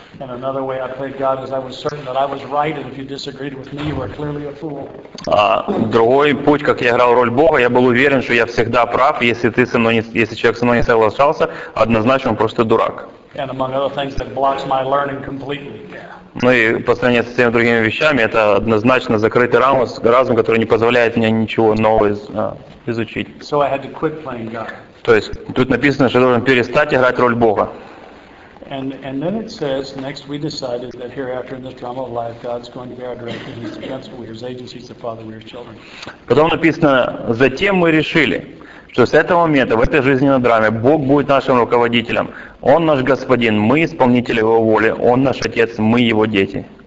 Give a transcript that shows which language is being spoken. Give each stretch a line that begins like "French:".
English: And another way I played God is I was certain that I was right, and if you disagreed with me, you were clearly a fool.
Russian: Другой путь, как я играл роль Бога, я был уверен, что я всегда прав, если ты со мной не, если человек со мной не соглашался, однозначно он просто дурак.
English: And among other things, that blocks my learning completely.
Russian: Ну и по сравнению со всеми другими вещами, это однозначно закрытый разум, который не позволяет мне ничего нового изучить.
English: So I had to quit playing God.
Russian: То есть тут написано, что должен перестать играть роль Бога.
English: And then it says, next we decided that hereafter in this drama of life, God's going to be our director, and he's the principal, he's agent, he's the father, we're his children.
Russian: Потом написано, затем мы решили, что с этого момента, в этой жизненной драме, Бог будет нашим руководителем. Он наш Господин, мы исполнители Его воли, Он наш Отец, мы Его дети.